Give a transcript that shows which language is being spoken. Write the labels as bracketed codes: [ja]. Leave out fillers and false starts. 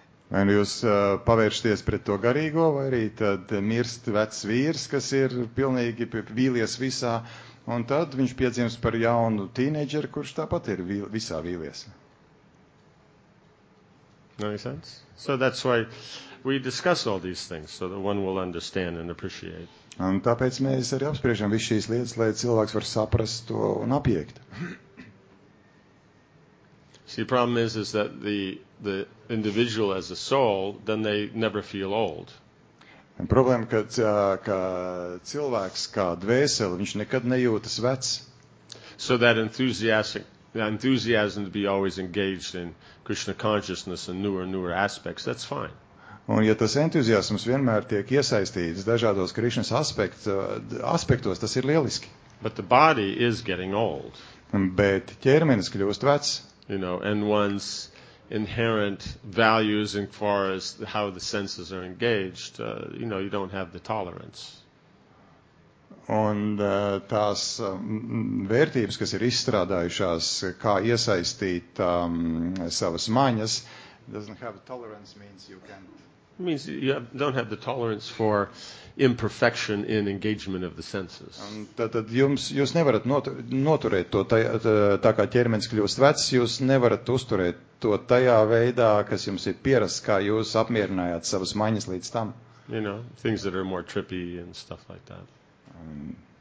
[lv] Vai jūs pavēršaties pret to garīgo, vai arī tad mirst vecs vīrs, kas ir pilnīgi vīlies visā, Un tad viņš piedzimst par jaunu tīneģeru, kurš tāpat ir visā vīlies. [en] Makes sense? So that's why we discuss all these things, so that one will understand and appreciate. [lv] Un tāpēc mēs arī apspriežam visu šīs lietas, lai cilvēks var saprast to un apiekt. [en] See, the problem is that the individual as a soul, then they never feel old. [lv] Problēma, ka cilvēks kā dvēseli, viņš nekad nejūtas vecs. [en] So that enthusiasm to be always engaged in Krishna consciousness and newer aspects, that's fine. [lv] Un ja tas entuziasms vienmēr tiek iesaistīts dažādos Krišnas aspektos, tas ir lieliski. [en] But the body is getting old. [lv] Bet ķermenis kļūst vecs. [en] You know, and once... inherent values in far as how the senses are engaged, you know, you don't have the tolerance. [lv] Un tās vērtības, kas ir izstrādājušās, kā iesaistīt savas maņas, [en] doesn't have the tolerance means you can't. It means you don't have the tolerance for imperfection in engagement of the senses. [lv] Tad jūs nevarat noturēt to, tā kā ķermenis kļūst vecs, jūs nevarat uzturēt to tajā veidā, kas jums ir pierasts, kā jūs apmierinājāt savas maņas līdz tam. [en] You know, things that are more trippy and stuff like that.